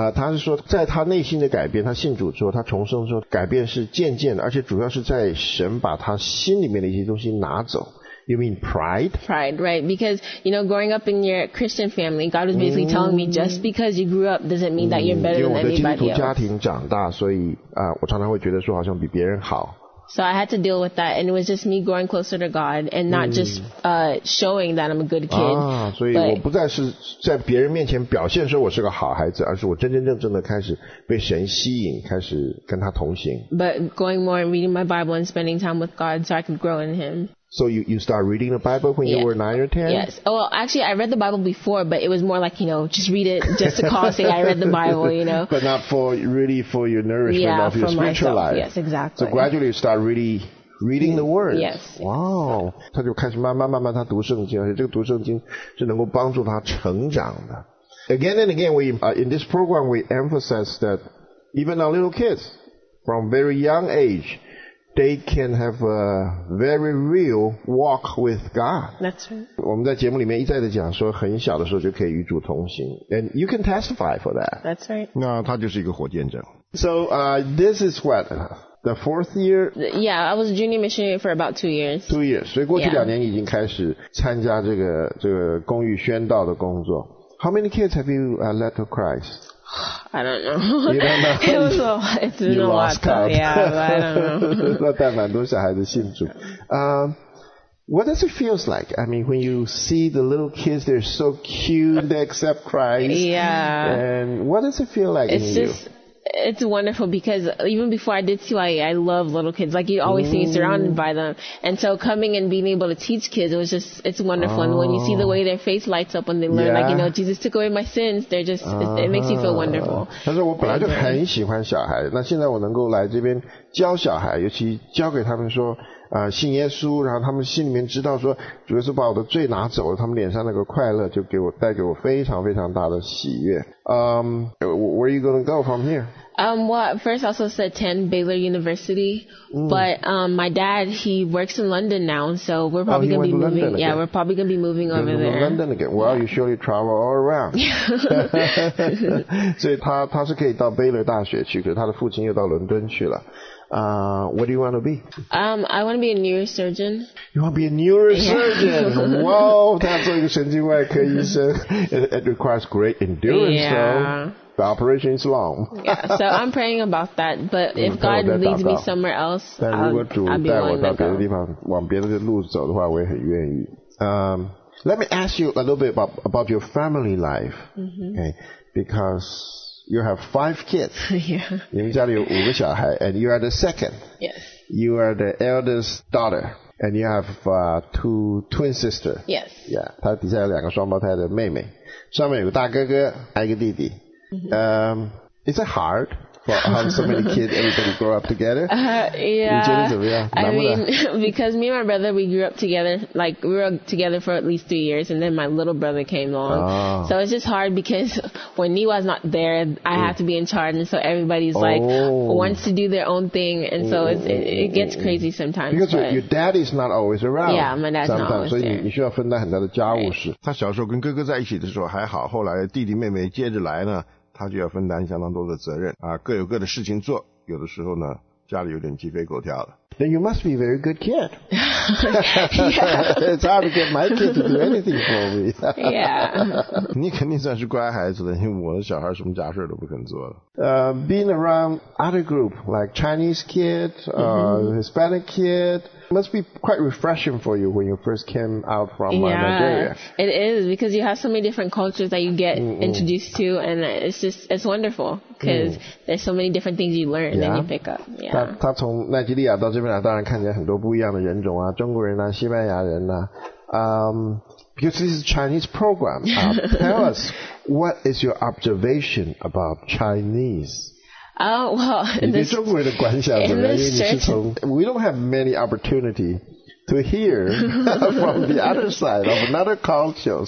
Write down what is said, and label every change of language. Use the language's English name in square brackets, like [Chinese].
[Chinese] 他是说在他内心的改变，他信主之后，他重生之后，改变是渐渐的，而且主要是在神把他心里面的一些东西拿走。 [English] You mean pride? Pride, right. Because, you know, growing up in your Christian family, God was basically telling me, just because you grew up doesn't mean that you're better than anybody else. [Chinese] 因为我在基督徒家庭长大，所以我常常会觉得说好像比别人好。 [English] So I had to deal with that, and it was just me growing closer to God and not just showing that I'm a good kid. [Chinese] 所以我不再是在别人面前表现说我是个好孩子，而是我真真正正的开始被神吸引，开始跟他同行。 [English] But going more and reading my Bible and spending time with God so I could grow in Him. So you start reading the Bible when you were 9 or 10? Yes. Oh, well, actually, I read the Bible before, but it was more like, you know, just read it just to call, say I read the Bible, you know. But not for really for your nourishment of your spiritual life. Yes, exactly. So gradually you start really Reading the word. Yes. Wow. [Chinese] 他就开始慢慢慢慢他读圣经，而且这个读圣经是能够帮助他成长的。 [English] Again and again, we, in this program, we emphasize that even our little kids, from very young age, they can have a very real walk with God. That's right. [Chinese] 我们在节目里面一再的讲说，很小的时候就可以与主同行。 [English] And you can testify for that. That's right. [Chinese] 那他就是一个活见证。 [English] So, this is what... The fourth year? Yeah, I was a junior missionary for about 2 years. 2 years. [Chinese] 所以过去两年已经开始参加这个、 [English] yeah. [Chinese] 这个公益宣道的工作。 [English] How many kids have you、led to Christ? I don't know. You don't know? It was a lot. It's been a lot. Though, yeah, but I don't know. [Chinese] 那带蛮多小孩子信主。 [English] What does it feel like? I mean, when you see the little kids, they're so cute, they accept Christ. Yeah. And what does it feel like it's in just, you? It's wonderful because even before I did CYA, I love little kids. Like, you always see me surrounded by them. And so coming and being able to teach kids, it was just, it's wonderful. Oh. And when you see the way their face lights up when they learn,、 yeah. like, you know, Jesus took away my sins, they're just,、uh-huh. it makes you feel wonderful. [Chinese] 但是我本来就很喜欢小孩，那现在我能够来这边教小孩，尤其教给他们说、信耶稣，然后他们心里面知道说主耶稣把我的罪拿走了，他们脸上那个快乐就给我带给我非常非常大的喜悦。 [English] Where are you going to go from here? Well, first I also said 10 Baylor University,、mm. but、my dad, he works in London now, so we're probably、 oh, going to be moving.、 London、 yeah,、 again. We're probably going to be moving over there. London again. Well,、 yeah. you surely travel all around. [Chinese] 所以他是可以到 Baylor 大学去，可是他的父亲又到伦敦去了。 [English] What do you want to be? I want to be a neurosurgeon. You want to be a neurosurgeon?、 [Chinese] Wow, 他要做一个神经外科医生。 [English] It requires great endurance,、 yeah. though. The operation is long. Yeah, so I'm praying about that, but if God leads me somewhere else, I'll be willing to go. [Chinese] 但如果主带我到别的地方，往别的路走的话，我也很愿意。 [English] Let me ask you a little bit about your family life,、 mm-hmm. okay? Because... You have 5 kids. Yeah. [Chinese] 你们家里有5个小孩 [English] and you are the second. Yes. You are the eldest daughter. And you have 2 twin sisters. Yes. Yeah. [Chinese] 她底下有两个双胞胎的妹妹。上面有个大哥哥还有个弟弟。 [English] Mm-hmm. Is it hard for having so many kids, everybody grow up together? Yeah. [Chinese] 你觉得怎么样？ [English] I mean, because me and my brother, we grew up together. Like, we were together for at least 3 years, and then my little brother came along.、 So it's just hard because when Niwa's not there, I have to be in charge, and so everybody's、 oh. like, wants to do their own thing, and so it gets crazy sometimes. Because your daddy's not always around. Yeah, my dad's not always there. [Chinese] 所以你需要分担很大的家务事。他小时候跟哥哥在一起的时候还好，后来弟弟妹妹接着来呢。他就要分担相当多的责任啊，各有各的事情做，有的时候呢，家里有点鸡飞狗跳的。 [English] Then you must be a very good kid. Yeah. It's hard to get my kid to do anything for me. Yeah. [Chinese] 你肯定算是乖孩子了，因为我的小孩什么家事都不肯做了。 [English] Being around other group like Chinese kid, Hispanic kid, must be quite refreshing for you when you first came out from Nigeria. It is because you have so many different cultures that you get introduced to, and it's wonderful because there's so many different things you learn and then you pick up. Yeah. [Chinese] 他从奈及利亚到这边来，当然看见很多不一样的人种啊，中国人啊，西班牙人呐、啊。 [English] Because this is a Chinese program, tell us, what is your observation about Chinese? We don't have many opportunity to hear from the other side of another culture.